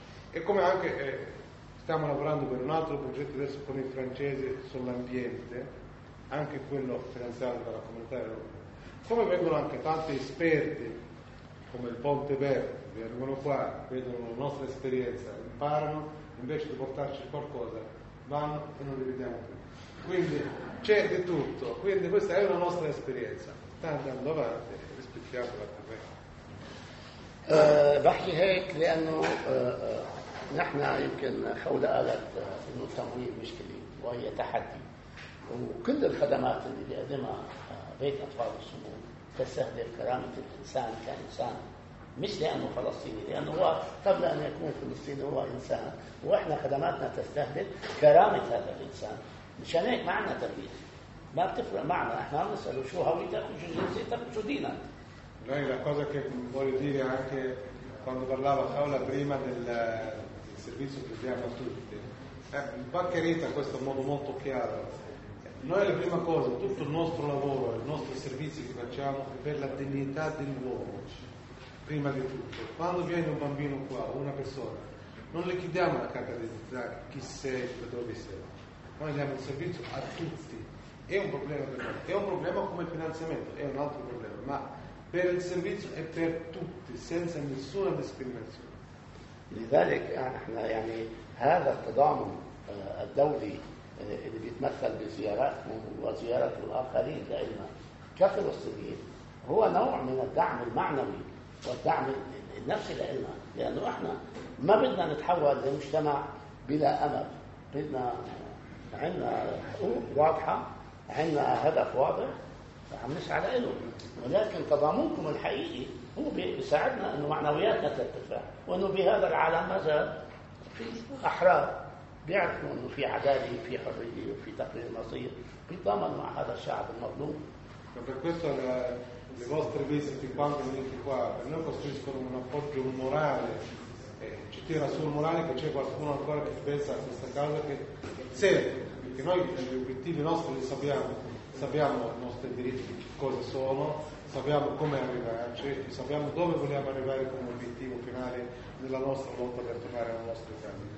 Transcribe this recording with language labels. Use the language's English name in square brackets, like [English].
[Italian] E come anche stiamo lavorando per un altro progetto adesso con i francesi sull'ambiente, anche quello finanziato dalla comunità europea, come vengono anche tanti esperti come il Ponte Verde, vengono qua, vedono la nostra esperienza, imparano, invece di portarci qualcosa vanno e non li vediamo più. Quindi c'è di tutto, quindi questa è una nostra esperienza, sta andando avanti, rispettiamola anche [Arabic] بحكي هيك لأنه نحن يمكن حول قالت إنه التمويل مشكلة وهي تحدي. وكل الخدمات اللي بيقدمها بيت أطفال السموم تستهدف كرامة الإنسان كإنسان، مش لأنه فلسطيني، لأنه هو قبل أن يكون فلسطيني هو إنسان، وإحنا خدماتنا تستهدف كرامة هذا الإنسان. مشان هيك معنا تربيه، ما بتفرق معنا، إحنا نسأله شو هويتك وشو جنسيتك وشو دينك. [Italian] Lei la cosa che voglio dire anche quando parlava Paola prima del servizio che diamo a tutti, va chiarita in questo modo molto chiaro. Noi la prima cosa, tutto il nostro lavoro, i nostri servizi che facciamo è per la dignità dell'uomo, prima di tutto. Quando viene un bambino qua, una persona, non le chiediamo la carta d'identità, chi sei, dove sei. Noi diamo il servizio a tutti. È un problema per noi, è un problema come finanziamento, è un altro problema, ma per il servizio è per tutti, senza nessuna discriminazione. [Arabic] لذلك احنا يعني هذا التضامن الدولي اللي بيتمثل بزياراتنا وزيارات الاخرين لنا كفلسطينيين هو نوع من الدعم المعنوي والدعم النفسي لنا، لانه احنا ما بدنا نتحول لمجتمع بلا امل. بدنا عندنا حقوق واضحه، عندنا هدف واضح عم نسعى له، ولكن تضامنكم الحقيقي هو بيساعدنا انه معنوياتنا ترتفع، وانه بهذا العالم ما زال في احرار بيعرفوا انه في عداله في حريه وفي تقرير المصير، بيتضامن مع هذا الشعب المظلوم. [Italian] Per questo le vostre visite quando venite qua per noi costruiscono un appoggio morale, ci tira sul morale che c'è qualcuno ancora che pensa a questa causa che serve, perché noi gli obiettivi nostri li sappiamo. Sappiamo i nostri diritti, cosa sono, sappiamo come arrivarci, sappiamo dove vogliamo arrivare come obiettivo finale della nostra lotta per tornare alla nostra casa.